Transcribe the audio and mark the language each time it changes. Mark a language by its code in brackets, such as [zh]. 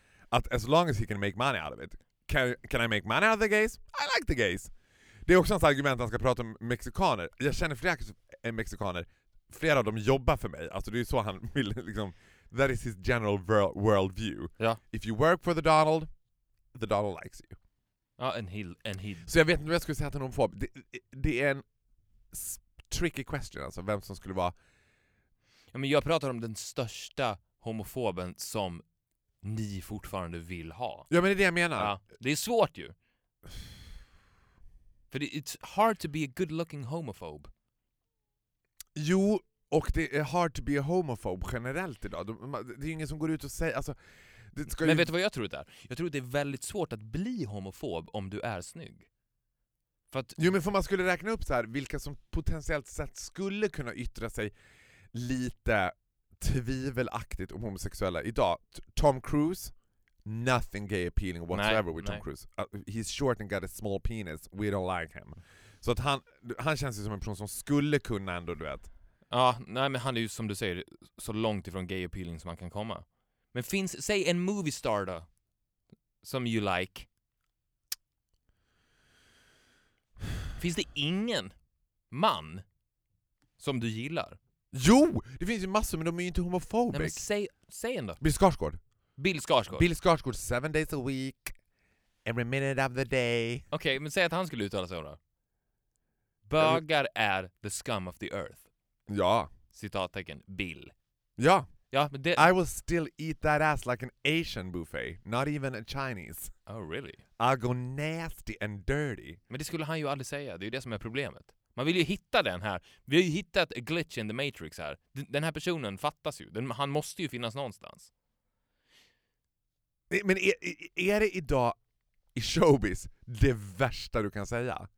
[en] Att as long as he can make money out of it. Can I make money out of the gays? I like the gays. [sv] Det är också hans argument att han ska prata om mexikaner. Jag känner flera mexikaner. Flera av dem jobbar för mig. Alltså det är så han vill liksom... [en] That is his general world view. Yeah. If you work for the Donald likes you. Ja, and he. [sv] Så jag vet inte vad jag skulle säga till någon form. Det är en tricky question. Alltså vem som skulle vara... Ja, men jag pratar om den största homofoben som ni fortfarande vill ha. Ja, men det är det jag menar. Ja, det är svårt ju. [en] För it's hard to be a good-looking homophobe. [sv] Jo, och det är hard to be a homophobe generellt idag. Det är ju ingen som går ut och säger... Alltså, det ska men ju... vet du vad jag tror det är? Jag tror att det är väldigt svårt att bli homofob om du är snygg. För att... Jo, men för man skulle räkna upp så här, vilka som potentiellt sett skulle kunna yttra sig lite tvivelaktigt om homosexuella idag. [en] Tom Cruise... Nothing gay appealing whatsoever with Tom Cruise. He's short and got a small penis. We don't like him. [sv] Så att han känns ju som en person som skulle kunna ändå, du vet. Ja, nej, men han är ju som du säger så långt ifrån gay appealing som man kan komma. Men finns, säg en movie star då som you like. Finns det ingen man som du gillar? Jo, det finns ju massor, men de är ju inte homofobiska. Nej, men säg en då. Bill Skarsgård. Bill Skarsgård. [en] Bill Skarsgård, 7 days a week, every minute of the day. [sv] Okej, okay, men säg att han skulle uttala sig då. Bögar är the scum of the earth. Ja. Citattecken, Bill. Ja. Ja, men det... [en] I will still eat that ass like an Asian buffet, not even a Chinese. Oh, really? I'll go nasty and dirty. [sv] Men det skulle han ju aldrig säga, det är ju det som är problemet. Man vill ju hitta den här. Vi har ju hittat a glitch in the matrix här. Den här personen fattas ju. Han måste ju finnas någonstans. Men är det idag i showbiz det värsta du kan säga?